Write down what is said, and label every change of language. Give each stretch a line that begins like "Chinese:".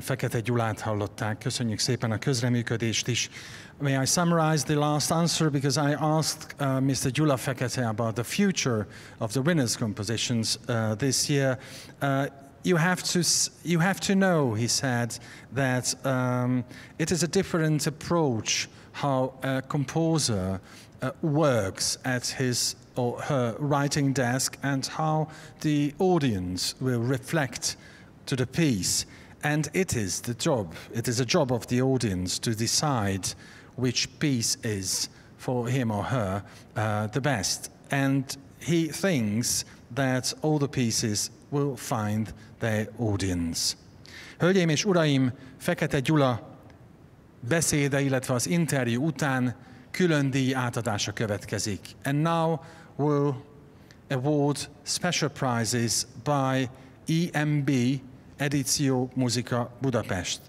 Hungarian: Fekete Gyulát hallották. Köszönjük szépen a közreműködést is.
English: May I summarize the last answer, because I asked Mr. Gyula Fekete about the future of the winners' compositions this year. You have to know, he said, that it is a different approach how a composer works at his or her writing desk and how the audience will reflect to the piece. And it is a job of the audience to decide which piece is for him or her the best. And he thinks that all the pieces will find their audience.
Hungarian: Hölgyeim és uraim, Fekete Gyula beszéde, illetve az interjú után külön díj átadása következik.
English: And now we'll award special prizes by EMB Edíció Muzika Budapest.